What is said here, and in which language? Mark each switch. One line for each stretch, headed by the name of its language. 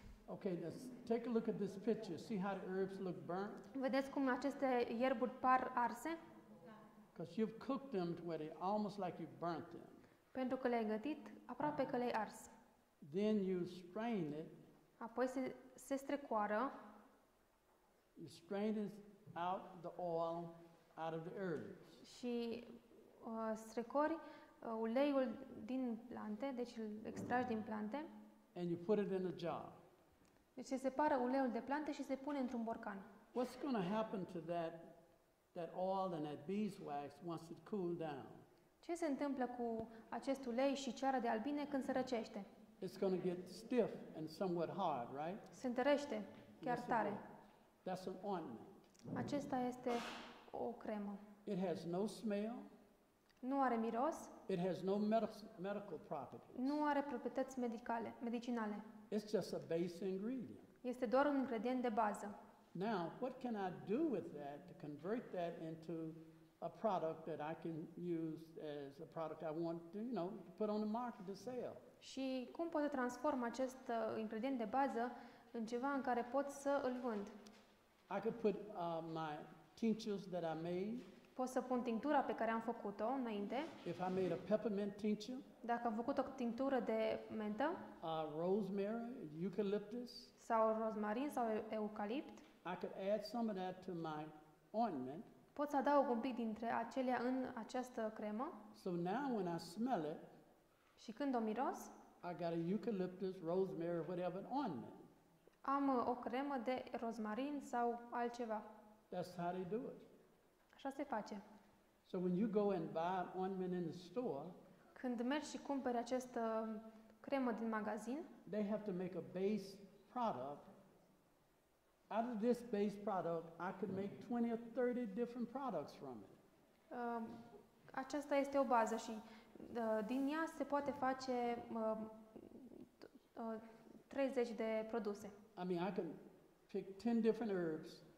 English: Okay, let's take a look at this picture. See how the herbs look burnt?
Romanian: Vedeți cum aceste ierburi par arse?
English: Because you've cooked them to where they almost like you've burnt them.
Romanian: Pentru că le-ai gătit aproape că le-ai ars.
English: Then you strain it.
Romanian: Apoi se strecoară.
English: You strain it out the oil out of the herbs.
Romanian: Și strecori uleiul din plante, deci îl extragi din plante.
English: And you put it in a jar.
Romanian: Deci se separă uleiul de plante și se pune într-un borcan.
English: What's going to happen to that oil and that beeswax once it cools down?
Romanian: Ce se întâmplă cu acest ulei și ceara de albine când se răcește?
English: It's going to get stiff and somewhat hard, right?
Romanian: Se întărește chiar tare.
English: That's an ointment.
Romanian: Acesta este o cremă.
English: It has no smell.
Romanian: Nu are miros.
English: It has no medical properties.
Romanian: Nu are proprietăți medicinale.
English: It's just a base ingredient.
Romanian: Este doar un ingredient de bază.
English: Now, what can I do with that to convert that into a product that I can use as a product I want to, you know, put on the market to sell?
Romanian: Și cum pot să transform acest ingredient de bază în ceva în care pot să îl vând?
English: I could put my tinctures that I made.
Romanian: Pot să pun tinctura pe care am făcut-o înainte.
English: If I made a peppermint tincture.
Romanian: Dacă am făcut o tinctură de mentă.
English: Rosemary, eucalyptus.
Romanian: Sau rozmarin sau eucalipt.
English: I could add some of that to my ointment.
Romanian: Pot să adaug un pic dintre acelea în această cremă.
English: So now when I smell it.
Romanian: Și când o miros.
English: I got a eucalyptus, rosemary, whatever ointment.
Romanian: Am o cremă de rozmarin sau altceva.
English: That's how they do it.
Romanian: Așa se face.
English: So when you go and buy an ointment in the store,
Romanian: când mergi și cumperi această cremă din magazin,
English: they have to make a base product. Out of this base product, I could make 20 or 30 different products from it.
Romanian: Aceasta este o bază și din ea se poate face 30 de produse.
English: I mean, I can pick 10 different herbs.